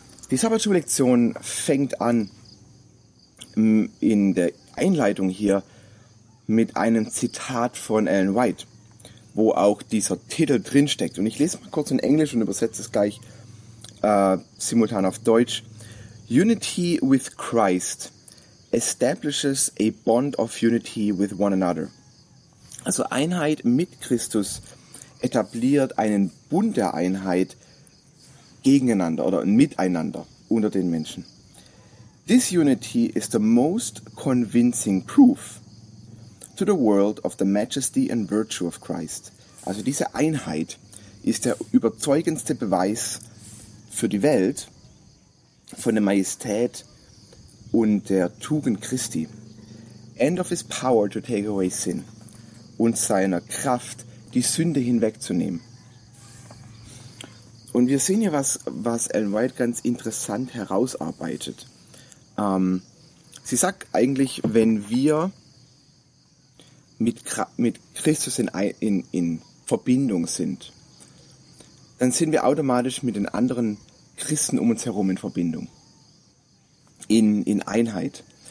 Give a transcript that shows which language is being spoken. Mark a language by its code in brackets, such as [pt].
[de] Die Sabbatschullektion fängt an in der Einleitung hier mit einem Zitat von Ellen White, wo auch dieser Titel drinsteckt. Und ich lese mal kurz in Englisch und übersetze es gleich simultan auf Deutsch. [en] Unity with Christ establishes a bond of unity with one another. [de] Also Einheit mit Christus etabliert einen Bund der Einheit gegeneinander oder miteinander unter den Menschen. [en] This unity is the most convincing proof to the world of the majesty and virtue of Christ. [de] Also diese Einheit ist der überzeugendste Beweis für die Welt von der Majestät und der Tugend Christi. [en] And of his power to take away sin. [de] Und seiner Kraft, die Sünde hinwegzunehmen. Und wir sehen hier was Ellen White ganz interessant herausarbeitet. Sie sagt eigentlich, wenn wir mit Christus in Verbindung sind, dann sind wir automatisch mit den anderen Christen um uns herum in Verbindung, in Einheit.